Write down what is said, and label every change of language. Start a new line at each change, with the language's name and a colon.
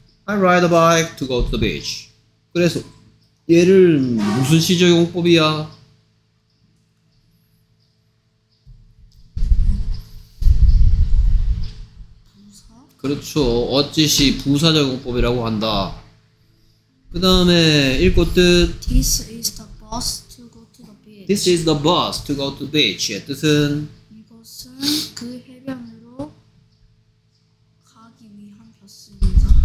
English: I ride a bike to go to the beach.
Korean: 그래서 얘를 무슨 시제용법이야? 그렇죠. 어찌시 부사적용법이라고 한다. 그 다음에 읽고 뜻
English: This is the bus to go to the beach. This is the bus to go to the beach의 뜻은
Korean: 이것은 그 해변으로 가기 위한 버스입니다.